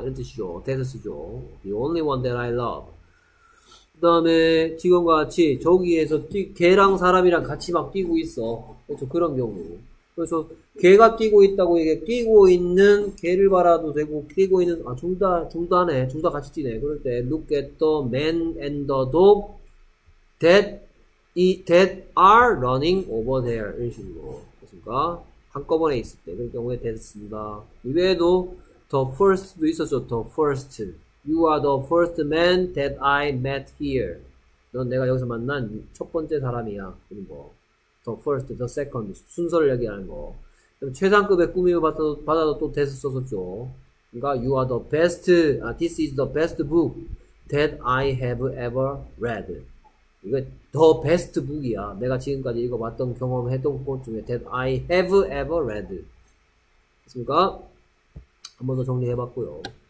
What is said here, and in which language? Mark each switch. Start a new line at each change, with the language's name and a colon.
Korean: 이런 뜻이죠.
English: That을 쓰죠. The only one that I love.
Korean: 그 다음에 지금과 같이 저기에서 개랑 사람이랑 같이 막 뛰고 있어. 그렇죠. 그런 경우. 그래서 개가 뛰고 있다고 얘기해. 뛰고 있는 개를 봐라도 되고 뛰고 있는 아 둘 다네. 둘 다 같이 뛰네. 그럴 때
English: look at the man and the dog that are running over there.
Korean: 이런 식으로. 그렇습니까? 한꺼번에 있을 때 그런 경우에 됐습니다. 이외에도 the first도 있었죠. the first.
English: You are the first man that I met here.
Korean: 넌 내가 여기서 만난 첫 번째 사람이야. 그런 거. the first, the second. 순서를 얘기하는 거. 그럼 최상급의 꾸밈을 받아도 또 됐을 썼었죠. 그러니까
English: you are the best. 아, this is the best book that I have ever read.
Korean: 이거 더 베스트 북이야. 내가 지금까지 읽어봤던 경험했던 것 중에
English: that I have ever read.
Korean: 됐습니까? 한 번 더 정리해봤고요.